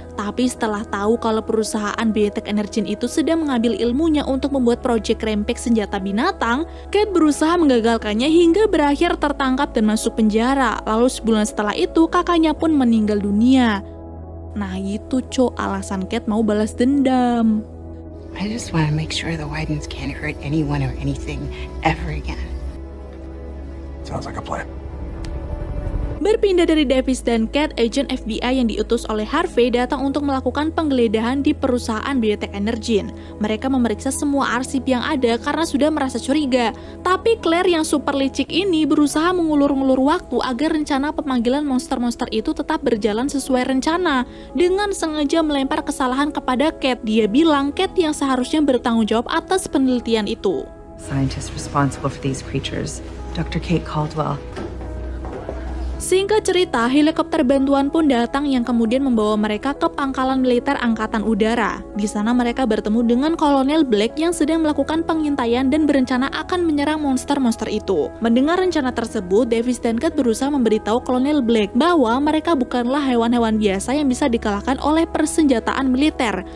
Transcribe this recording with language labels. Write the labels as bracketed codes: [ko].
[id] Tapi setelah tahu kalau perusahaan Biotech Energen itu sedang mengambil ilmunya untuk membuat proyek rempek senjata binatang, Kate berusaha menggagalkannya hingga berakhir tertangkap dan masuk penjara. Lalu sebulan setelah itu, kakaknya pun meninggal dunia. Nah, itu cok alasan Kate mau balas dendam. [en] I just want to make sure the Wydens can't hurt anyone or anything ever again. Sounds like a plan. [id] Berpindah dari Davis dan Kate, agen FBI yang diutus oleh Harvey datang untuk melakukan penggeledahan di perusahaan Biotech Energen. Mereka memeriksa semua arsip yang ada karena sudah merasa curiga. Tapi Claire yang super licik ini berusaha mengulur-ulur waktu agar rencana pemanggilan monster-monster itu tetap berjalan sesuai rencana. Dengan sengaja melempar kesalahan kepada Kate, dia bilang Kate yang seharusnya bertanggung jawab atas penelitian itu. [en] Scientist responsible for these creatures, Dr. Kate Caldwell. [id] Singkat cerita, helikopter bantuan pun datang yang kemudian membawa mereka ke pangkalan militer Angkatan Udara. Di sana mereka bertemu dengan Kolonel Black yang sedang melakukan pengintaian dan berencana akan menyerang monster-monster itu. Mendengar rencana tersebut, Davis dan Kate berusaha memberitahu Kolonel Black bahwa mereka bukanlah hewan-hewan biasa yang bisa dikalahkan oleh persenjataan militer.